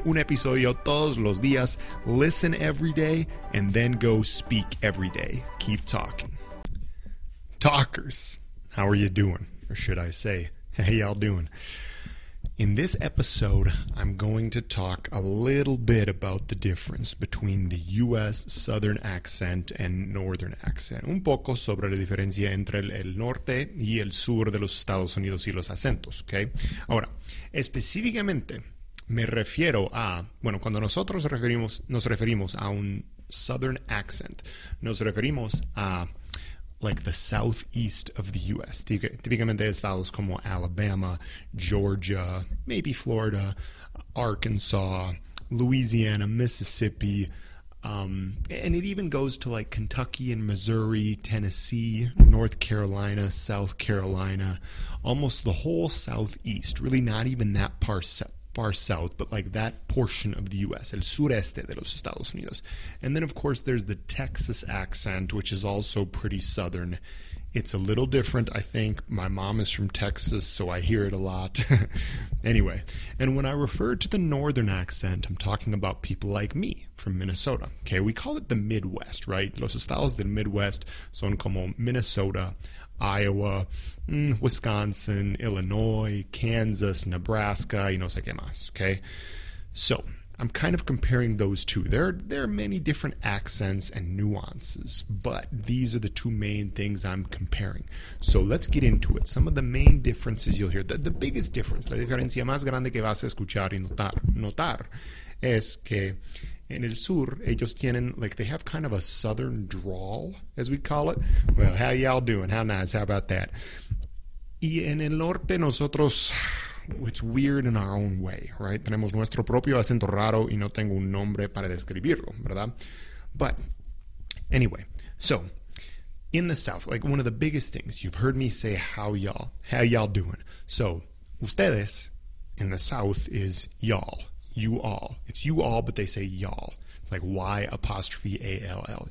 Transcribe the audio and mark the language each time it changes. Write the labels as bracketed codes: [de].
[es] Un episodio todos los días. [en] Listen every day and then go speak every day. Keep talking. Talkers, how are you doing? Or should I say, how y'all doing? In this episode, I'm going to talk a little bit about the difference between the U.S. Southern accent and Northern accent. [es] Un poco sobre la diferencia entre el norte y el sur de los Estados Unidos y los acentos, okay? Ahora, específicamente, me refiero a, bueno, cuando nosotros nos referimos a un Southern accent, nos referimos a [en] like the southeast of the U.S. [es] Típicamente estados como Alabama, Georgia, maybe Florida, Arkansas, Louisiana, Mississippi. [en] And it even goes to like Kentucky and Missouri, Tennessee, North Carolina, South Carolina. Almost the whole southeast, really not even that far south, but like that portion of the U.S., [es] el sureste de los Estados Unidos. [en] And then, of course, there's the Texas accent, which is also pretty southern. It's a little different, I think. My mom is from Texas, so I hear it a lot. Anyway, and when I refer to the northern accent, I'm talking about people like me from Minnesota. Okay, we call it the Midwest, right? [es] Los Estados del Midwest son como Minnesota, Iowa, Wisconsin, Illinois, Kansas, Nebraska, y no sé qué más, okay? [en] So, I'm kind of comparing those two. There are many different accents and nuances, but these are the two main things I'm comparing. So, let's get into it. Some of the main differences you'll hear. The biggest difference, [es] la diferencia más grande que vas a escuchar y notar es que [en] in [es] el sur, ellos tienen, [en] like, they have kind of a southern drawl, as we call it. Well, how y'all doing? How nice? How about that? [es] Y en el norte, nosotros, [en] it's weird in our own way, right? [es] Tenemos nuestro propio acento raro y no tengo un nombre para describirlo, ¿verdad? [en] But, anyway, so, in the south, like, one of the biggest things, you've heard me say, how y'all doing? So, ustedes, in the south, is y'all. You all. It's you all, but they say y'all. It's like Y apostrophe A-L-L.